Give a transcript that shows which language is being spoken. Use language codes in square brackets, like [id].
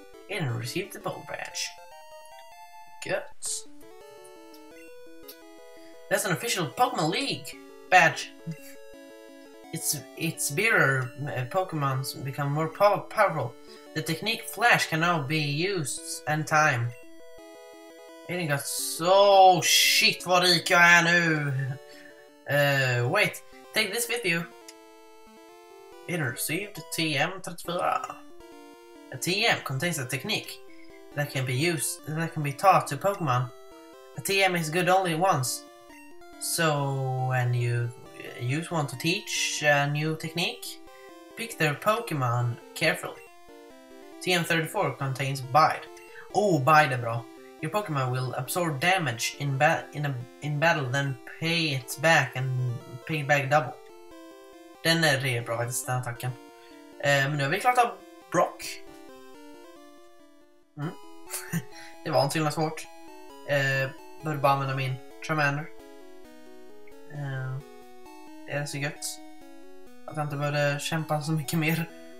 [en] And receive the boulder badge. Good. That's an official Pokemon League badge. Its bearer Pokemons become more powerful. The technique Flash can now be used anytime. And it got so shit [sv] vad rik jag är nu. [en] Wait, take this with you. It received TM34. A TM contains a technique that can be used, that can be taught to Pokemon. A TM is good only once. So when you use one to teach a new technique, pick their Pokemon carefully. TM34 contains Bide. Oh, Bide [sv] är bra. [en] Your Pokemon will absorb damage in battle, then pay it back and pay it back double. [sv] Den är rejält bra faktiskt, den attacken. Men nu har vi klart av Brock. Det var inte tillräckligt svårt. Började bara använda min Charmander. Det är så gött att jag inte började kämpa så mycket mer.